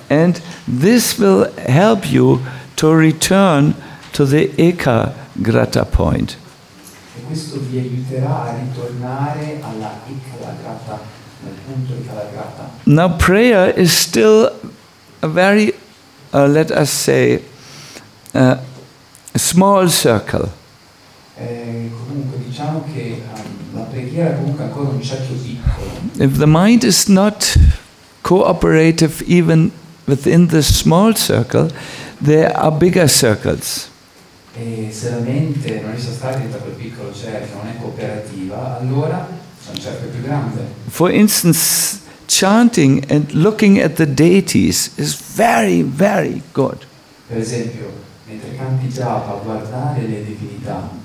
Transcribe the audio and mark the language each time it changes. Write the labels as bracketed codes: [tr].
[en] And this will help you to return to the Ekagrata point. [it] E questo vi aiuterà a ritornare alla Ekagrata, nel punto Ekagrata. [en] Now prayer is still a very, let us say, a small circle. [it] Comunque diciamo che la preghiera comunque ancora un cerchio piccolo. [en] If the mind is not cooperative even within the small circle, there are bigger circles. [it] E se la mente non riesce a stare dentro quel piccolo cerchio, non è cooperativa, allora c'è un cerchio più grande. [en] For instance, chanting and looking at the deities is very, very good. [it] Per esempio, mentre canti japa, guardare le divinità.